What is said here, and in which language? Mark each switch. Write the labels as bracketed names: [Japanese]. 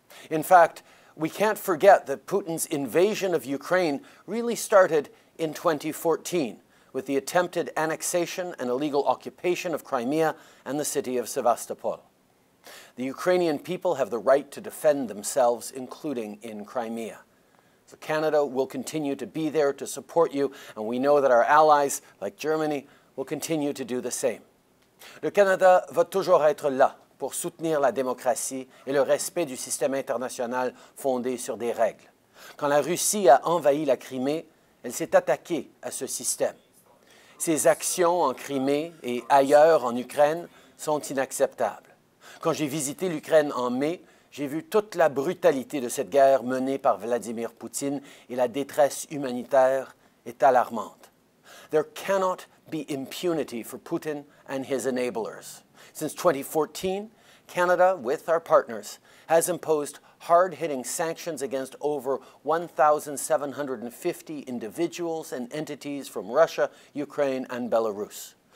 [English] In fact, we can't forget that Putin's invasion of Ukraine really started in 2014 with the attempted annexation and illegal occupation of Crimea and the city of Sevastopol. The Ukrainian people have the right to defend themselves, including in Crimea. So Canada will continue to be there to support you, and we know that our allies, like Germany, will continue to do the same. [French] Le Canada va toujours être là pour soutenir la démocratie et le respect du système international fondé sur des règles. Quand la Russie a envahi la Crimée, elle s'est attaquée à ce système. Ses actions en Crimée et ailleurs en Ukraine sont inacceptables. Quand j'ai visité l'Ukraine en mai, j'ai vu toute la brutalité de cette guerre menée par Vladimir Poutine et la détresse humanitaire est alarmante. [English] There cannot be impunity for Putin and his enablers. Since 2014, Canada, with our partners, has imposed hard-hitting sanctions against over 1,750 individuals and entities from Russia, Ukraine, and Belarus.